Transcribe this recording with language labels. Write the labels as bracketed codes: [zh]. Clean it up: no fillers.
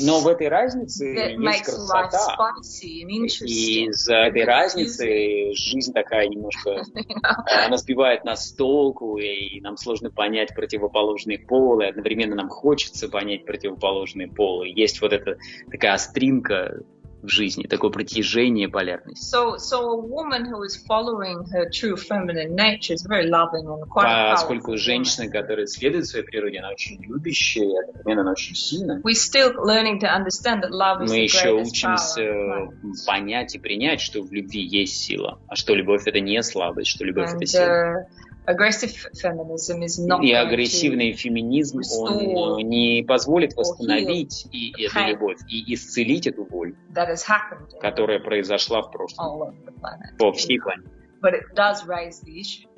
[ru] Но в этой разнице есть красота. И из-за этой разницы жизнь такая немножко, она сбивает нас с толку, и нам сложно понять противоположные полы, одновременно нам хочется понять противоположные полы. Есть вот эта такая остринка в жизни, такое притяжение, полярность. [en] So a woman who is following her true feminine nature is very loving and quite powerful. [ru] Поскольку женщина, которая следует своей природе, она очень любящая, одновременно она очень сильная. [en] We're still learning to understand that love is power. [ru] Мы еще учимся понять и принять, что в любви есть сила, а что любовь это не слабость, что любовь это сила. И агрессивный феминизм, он не позволит восстановить и эту любовь, и исцелить эту боль, которая произошла в прошлом, по всей планете.